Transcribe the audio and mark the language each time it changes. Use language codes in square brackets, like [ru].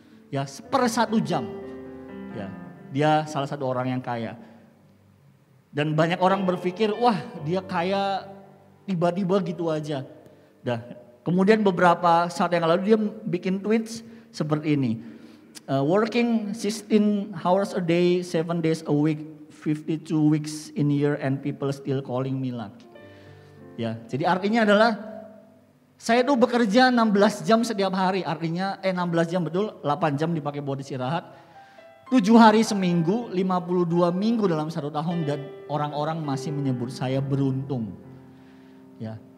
[id] Ya, per satu jam. Ya, dia salah satu orang yang kaya. Dan banyak orang berpikir, wah dia kaya tiba-tiba gitu aja. Dah. Kemudian beberapa saat yang lalu dia bikin tweets seperti ini. [en] Working 16 hours a day, 7 days a week, 52 weeks in a year and people still calling me lucky. [id] Ya, jadi artinya adalah saya tuh bekerja 16 jam setiap hari. Artinya 16 jam betul, 8 jam dipakai buat istirahat. 7 hari seminggu, 52 minggu dalam satu tahun dan orang-orang masih menyebut saya beruntung. Ya.